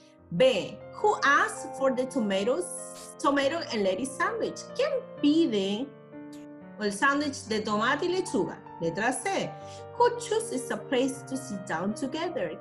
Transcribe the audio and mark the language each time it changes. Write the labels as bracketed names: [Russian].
[English] B, who asked for the tomato and lettuce sandwich? [Spanish] ¿Quién pide el sandwich de tomate y lechuga? Letra C. [English] Who chooses a place to sit down together?